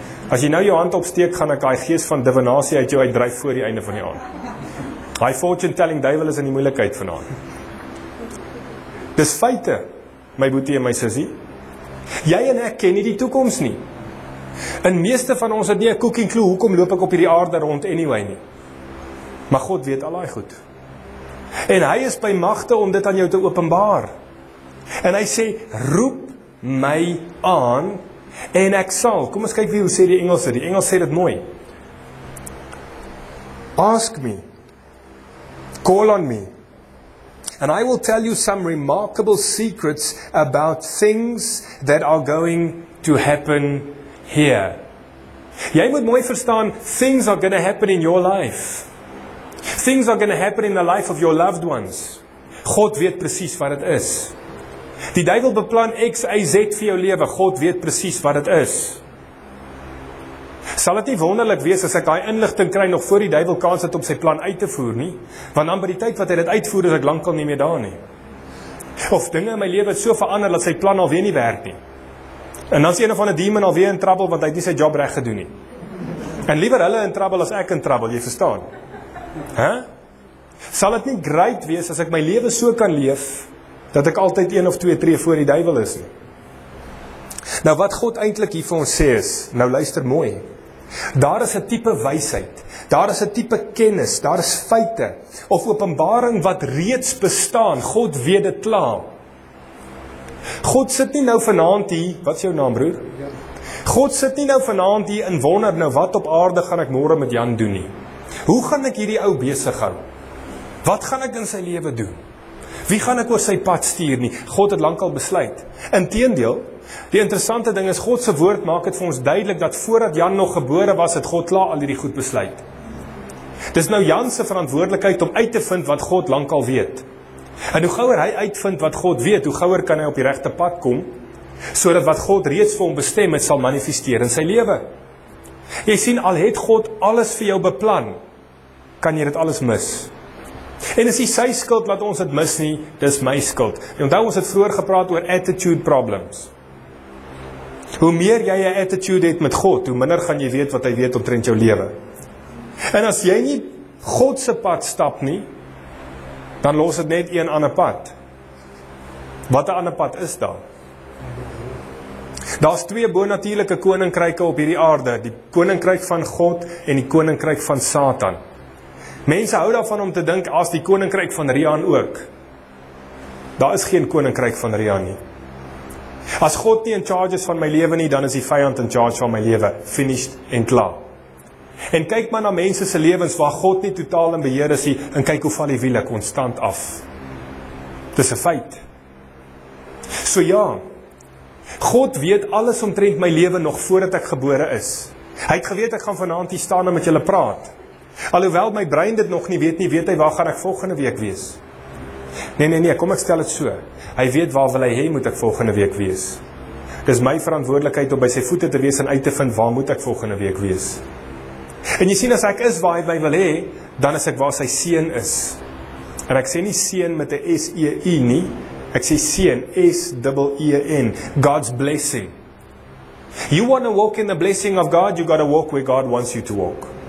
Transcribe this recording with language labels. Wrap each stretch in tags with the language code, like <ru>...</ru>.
<af>As jy nou jou hand opsteek, gaan ek daai gees van divinasie uit jou uitdryf voor die einde van die aand. Daai fortune telling duiwel is in die moeilikheid vanaand. Dis feite, my boetie en my sussie. Jy en ek ken nie die toekoms nie. En meeste van ons het nie 'n cooking clue hoekom loop ek op hierdie aarde rond anyway nie. Maar God weet al daai goed. En hy is by magte om dit aan jou te openbaar. En hy sê, roep my aan en ek sal. Kom ons kyk wie hoe sê die Engelse. Die Engels sê dit mooi.</af> <en>Ask me. Call on me. And I will tell you some remarkable secrets about things that are going to happen here.</en> <af>Jy moet mooi verstaan,</af> <en>things are going to happen in your life. Things are going to happen in the life of your loved ones.</en> <af>God weet precies wat het is. Die duivel beplan X, Y, Z vir jou lewe. God weet precies wat het is. Sal het nie wonderlik wees as ek die inlichting kry nog voor die duivel kans het om sy plan uit te voer nie? Want dan by die tyd wat hy dit uitvoer is ek lang al nie meer daar nie. Of dinge in my lewe het so verander dat sy plan alweer nie werk nie. En dan is een of ander demon alweer in trouble want hy het nie sy job reg gedoen nie. En liever hulle in trouble as ek in trouble, jy verstaan. Sal het nie great wees as ek my lewe so kan leef dat ek altyd een of twee tree voor die duivel is nie? Nou wat God eintlik hier vir ons sê is, nou luister mooi, daar is 'n tipe wysheid, daar is 'n tipe kennis, daar is feite of openbaring wat reeds bestaan, God weet dit klaar. God sit nie nou vanaand hier, wat is jou naam broer? God sit nie nou vanaand hier en wonder nou wat op aarde gaan ek môre met Jan doen nie. Hoe gaan ek hierdie ou besig hou? Wat gaan ek in sy lewe doen? Wie gaan ek oor sy pad stuur nie? God het lank al besluit. Inteendeel, die interessante ding is, God se woord maak het vir ons duidelik dat voordat Jan nog gebore was, het God klaar al hierdie goed besluit. Dis nou Jan se verantwoordelikheid om uit te vind wat God lank al weet. En hoe gouer hy uitvind wat God weet, hoe gouer kan hy op die regte pad kom, sodat wat God reeds vir hom bestem het, sal manifesteer in sy lewe. Jy sien, al het God alles vir jou beplan, kan jy dit alles mis. En is die sy skuld wat ons het mis nie, dis my skuld. En onthou, ons het vroeger gepraat oor attitude problems. Hoe meer jy jou attitude het met God, hoe minder gaan jy weet wat hy weet omtrent jou lewe. En as jy nie God se pad stap nie, dan los het net een ander pad. Wat 'n ander pad is daar? Daar is twee bonatuurlike koninkryke op hierdie aarde, die koninkryk van God en die koninkryk van Satan. Mense hou daarvan om te dink as die koninkryk van Rian ook. Daar is geen koninkryk van Rian nie. As God nie in charge is van my lewe nie, dan is die vyand in charge van my lewe, finished en klaar. En kyk maar na mense se lewens waar God nie totaal in beheer is nie, en kyk hoe val die wiele konstant af. Dis 'n feit. So ja, God weet alles omtrent my lewe nog voordat ek gebore is. Hy het geweet ek gaan vanaand hier staan en met julle praat. Alhoewel my brein dit nog nie weet nie, weet hy waar gaan ek volgende week wees. Nee, kom ek stel het so. Hy weet waar wil hy hê moet ek volgende week wees. Dis my verantwoordelikheid om by sy voete te wees en uit te vind waar moet ek volgende week wees. En jy sien as ek is waar hy my wil hê, dan is ek waar sy seun is. En ek sê nie seun met 'n S-E-I nie. Ek sê seën, S-E-E-N,</af> <en>God's blessing. You want to walk in the blessing of God, you got to walk where God wants you to walk.</en>